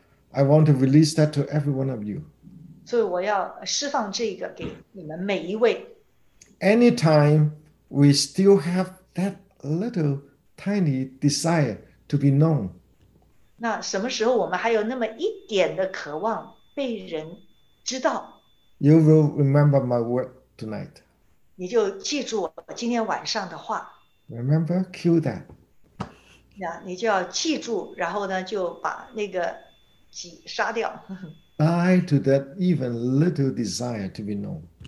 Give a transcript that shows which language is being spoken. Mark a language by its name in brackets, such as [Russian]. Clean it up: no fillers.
[English] I want to release that to every one of you. [Chinese] 所以我要释放这个给你们每一位。 [English] Anytime we still have that little tiny desire to be known. [Chinese] 那什么时候我们还有那么一点的渴望被人知道？ [English] You will remember my word tonight. [Chinese] 你就记住我今天晚上的话。 [English] Remember, cue that. [Chinese] 你就要记住，然后呢，就把那个己杀掉。 [English] Die to that even little desire to be known.